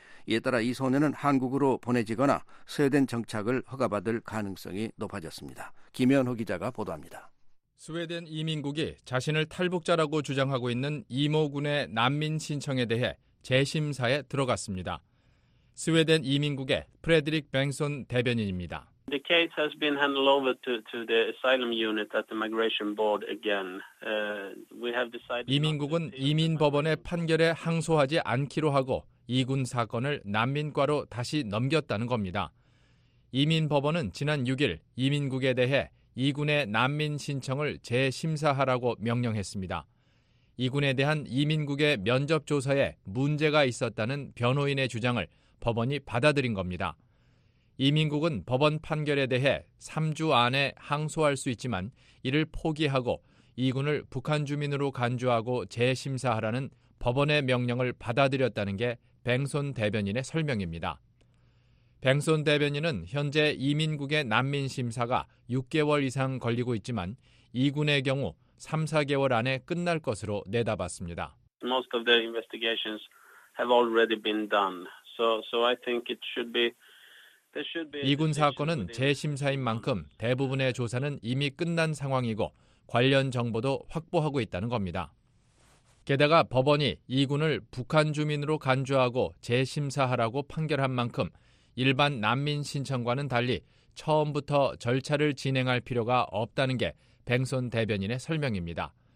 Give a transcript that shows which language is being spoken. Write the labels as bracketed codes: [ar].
[ko] 이에 따라 이 소년은 한국으로 보내지거나 스웨덴 정착을 허가받을 가능성이 높아졌습니다. 김현호 기자가 보도합니다. 스웨덴 이민국이 자신을 탈북자라고 주장하고 있는 이모 군의 난민 신청에 대해 재심사에 들어갔습니다. 스웨덴 이민국의 프레드릭 뱅손 대변인입니다. [en] The case has been handed over to the asylum unit at the Migration Board again. We have decided. [ko] 이민국은 이민 법원의 판결에 항소하지 않기로 하고 이군 사건을 난민과로 다시 넘겼다는 겁니다. 이민 법원은 지난 6일 이민국에 대해 이군의 난민 신청을 재심사하라고 명령했습니다. 이군에 대한 이민국의 면접 조사에 문제가 있었다는 변호인의 주장을 법원이 받아들인 겁니다. 이민국은 법원 판결에 대해 3주 안에 항소할 수 있지만 이를 포기하고 이군을 북한 주민으로 간주하고 재심사하라는 법원의 명령을 받아들였다는 게 뱅손 대변인의 설명입니다. 뱅손 대변인은 현재 이민국의 난민 심사가 6개월 이상 걸리고 있지만 이군의 경우 3, 4개월 안에 끝날 것으로 내다봤습니다. [en] Most of the investigations have already been done. So I think it should be [ko] 이군 사건은 재심사인 만큼 대부분의 조사는 이미 끝난 상황이고 관련 정보도 확보하고 있다는 겁니다. 게다가 법원이 이군을 북한 주민으로 간주하고 재심사하라고 판결한 만큼 일반 난민 신청과는 달리 처음부터 절차를 진행할 필요가 없다는 게 뱅손 대변인의 설명입니다.